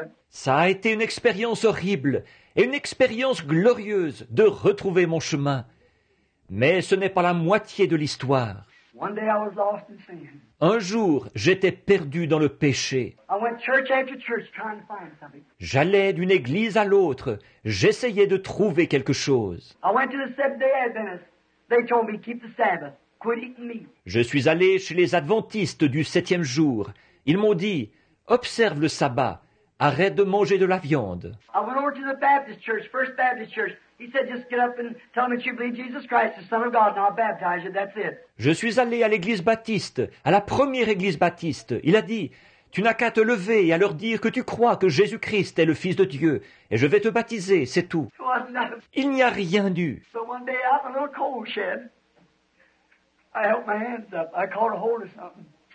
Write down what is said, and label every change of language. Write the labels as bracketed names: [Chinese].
[French] Ça a été une expérience horrible et une expérience glorieuse de retrouver mon chemin. Mais ce n'est pas la moitié de l'histoire. [English] One day I was lost in sin. [French] Un jour, j'étais perdu dans le péché. [English] I went church after church trying to find something. [French] J'allais d'une église à l'autre. J'essayais de trouver quelque chose. [English] I went to the Seventh-day Adventists. They told me, keep the Sabbath. Quit eating meat. [French] Je suis allé chez les Adventistes du septième jour. Ils m'ont dit, observe le sabbat. Arrête de manger de la viande. [English] I went over to the Baptist church, First Baptist church. He said, just get up and tell me that you believe Jesus Christ, the Son of God, and I'll baptize you. That's it. [French] Je suis allé à l'église baptiste, à la première église baptiste. Il a dit, tu n'as qu'à te lever et à leur dire que tu crois que Jésus-Christ est le Fils de Dieu, et je vais te baptiser, c'est tout. Il n'y a rien d'eu. [English] So one day, out in a little coal shed, I held my hands up. I caught a hold of something.